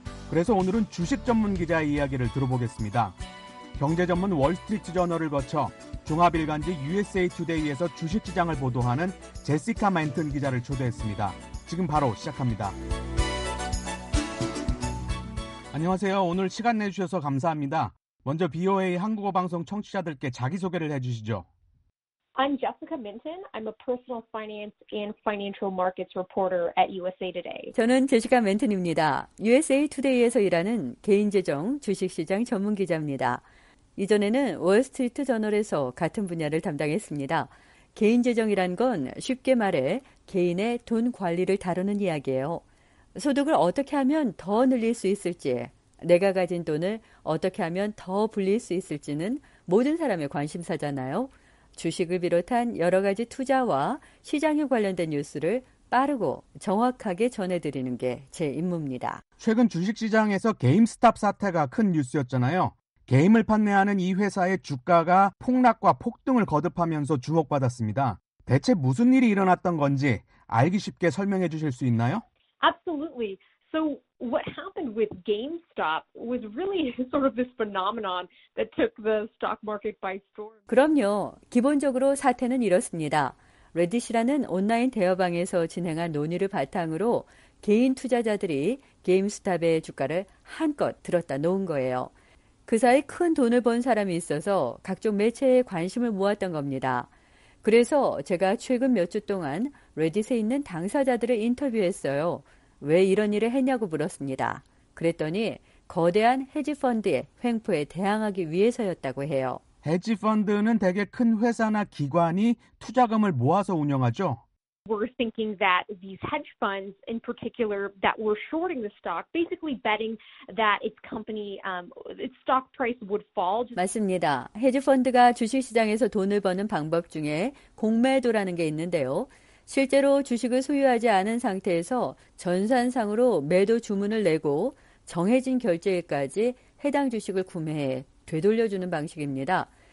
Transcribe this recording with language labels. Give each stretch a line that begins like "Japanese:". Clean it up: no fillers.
Korean: 그래서 오늘은 주식 전문 기자의 이야기를 들어보겠습니다. 경제 전문 월스트리트 저널을 거쳐 종합일간지 USA Today에서 주식시장을 보도하는 제시카 멘튼 기자를 초대했습니다. 지금 바로 시작합니다. 안녕하세요. 오늘 시간 내주셔서 감사합니다. 먼저 BOA 한국어 방송 청취자들께 자기소개를 해주시죠.
English: I'm Jessica Minton. I'm a personal finance and financial markets reporter at USA Today.
Korean: 저는 제시카 멘튼입니다. USA Today에서 일하는 개인재정 주식시장 전문기자입니다. 이전에는 월스트리트 저널에서 같은 분야를 담당했습니다. 개인재정이란 건 쉽게 말해 개인의 돈 관리를 다루는 이야기예요. 소득을 어떻게 하면 더 늘릴 수 있을지, 내가 가진 돈을 어떻게 하면 더 불릴 수 있을지는 모든 사람의 관심사잖아요. 주식을 비롯한 여러 가지 투자와 시장에 관련된 뉴스를 빠르고 정확하게 전해드리는 게 제 임무입니다. 최근 주식시장에서 게임스탑 사태가 큰 뉴스였잖아요. 게임을 판매하는 이 회사의 주가가 폭락과 폭등을 거듭하면서 주목받았습니다. 대체 무슨 일이 일어났던 건지 알기 쉽게 설명해 주실 수 있나요?
English: Absolutely. So what happened with GameStop was really sort of this phenomenon that took the stock market by storm.
Korean: 그럼요. 기본적으로 사태는 이렇습니다. 레딧이라는 온라인 대화방에서 진행한 논의를 바탕으로 개인 투자자들이 GameStop의 주가를 한껏 들었다 놓은 거예요. 그 사이 큰 돈을 번 사람이 있어서 각종 매체에 관심을 모았던 겁니다. 그래서 제가 최근 몇 주 동안 레딧에 있는 당사자들을 인터뷰했어요. 왜 이런 일을 했냐고 물었습니다. 그랬더니 거대한 헤지펀드의 횡포에 대항하기 위해서였다고 해요. 헤지펀드는 대개 큰 회사나 기관이 투자금을 모아서 운영하죠.
English: We're thinking that these hedge funds in particular that were shorting the stock basically betting that its company its stock price would fall.
Korean: 맞습니다. 헤지펀드가 주식 시장에서 돈을 버는 방법 중에 공매도라는 게 있는데요. 실제로 주식을 소유하지 않은 상태에서 전산상으로 매도 주문을 내고 정해진 결제일까지 해당 주식을 구매해 되돌려 주는 방식입니다.